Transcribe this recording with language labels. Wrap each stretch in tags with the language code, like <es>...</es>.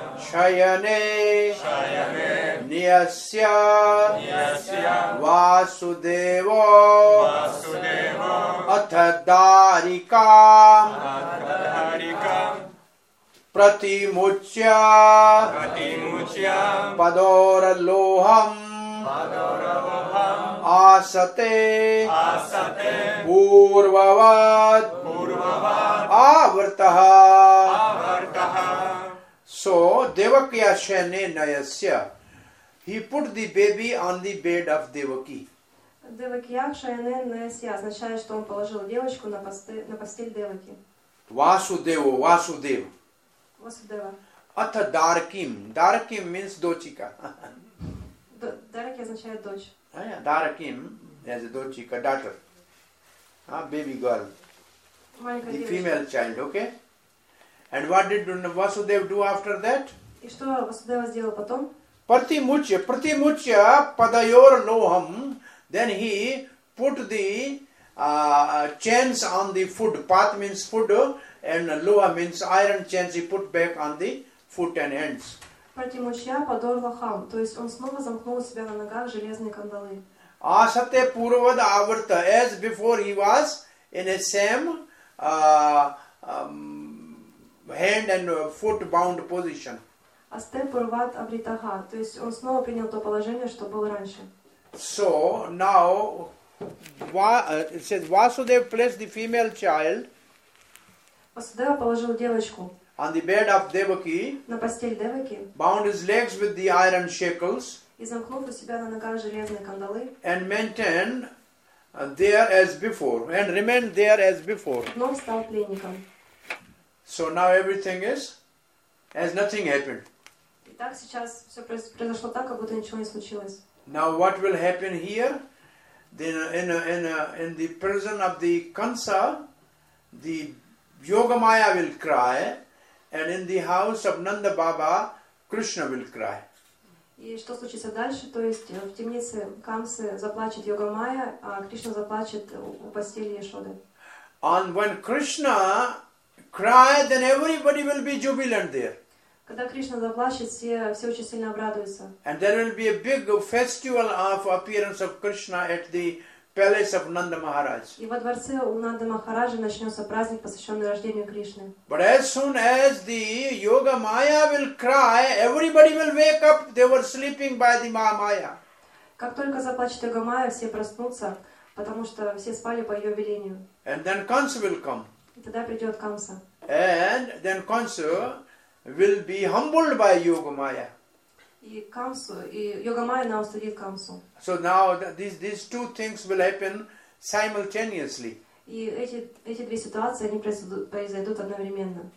<sa>Шаяне, Ниасья, Васудева, Атхадарика, Пратимучья, Падоралохам, Асате, Пурвават, Авртаха.</sa> <en>So</en> <sa>Devakya Shane Nayasya,</sa> <en>he put the baby on the bed of Devaki.</en> <sa>Devakya Shane Nayasya</sa> <ru>означает, что он положил девочку на постель Деваки.</ru> <en>Vasudeva, Vasudeva. Vasudeva.</en> <sa>Atha Darkim.</sa> <en>Darkim means dochika.</en> <ru>Darki означает дочь.</ru> <en>Darkim as a dochika, daughter. Baby girl.</en> <ru>Маленькая девочка.</ru> <en>The female child, okay? And what did Vasudeva do after that?</en> <ru>И что Васудева сделал потом?</ru> <sa>Пратимучья, пратимучья, падайор лохам.</sa> <en>Then he put the chains on the foot. Пат means foot and лоха means iron chains. He put back on the foot and hands.</en> <sa>Пратимучья, падайор лохам.</sa> <ru>То есть он снова замкнул себя на ногах железные кандалы.</ru> <sa>Асате пурвад аварта.</sa> <en>As before he was in the same hand and foot bound position.</en> <sa>Астепурват абритаха.</sa> <ru>То есть он снова принял то положение, что было раньше.</ru> <en>So now it says Vasudeva placed the female child.</en> <ru>Vasudeva положил девочку.</ru> <en>On the bed of Devaki.</en> <ru>На постель Деваки.</ru> <en>Bound his legs with the iron shackles.</en> <ru>И замкнув у себя на ногах железные кандалы.</ru> <en>And maintained there as before. And remained there as before.</en> <ru>Но стал пленником.</ru> <en>So now everything is as nothing happened.</en> <ru>Итак, сейчас все произошло так, как будто ничего не случилось.</ru> <en>Now what will happen here? Then in the prison of the Kansa, the Yoga Maya will cry, and in the house of Nanda Baba, Krishna will cry.</en> <ru>И что случится дальше? То есть в темнице Камсы заплачет Йога Майя, а Кришна заплачет у постели Яшоды.</ru> <en>And when Krishna cry, then everybody will be jubilant there.</en> <ru>Когда Кришна заплачет, все очень сильно обрадуются.</ru> <en>And there will be a big festival of appearance of Krishna at the palace of Nanda Maharaj.</en> <ru>И во дворце у Нанды Махараджа начнется праздник, посвященный рождению Кришны.</ru> <en>But as soon as the yoga maya will cry, everybody will wake up. They were sleeping by the maya.</en> <ru>Как только заплачет йога майя, все проснутся, потому что все спали по ее велению.</ru> <en>And then Kansa will come.</en> <ru>И тогда придет Камса.</ru> <en>And then Kansa will be humbled by yoga maya.</en> <ru>И Камсу, и йога майя на устудит Камсу.</ru> <en>So now these two things will happen simultaneously.</en> <ru>И эти две ситуации они произойдут одновременно.</ru>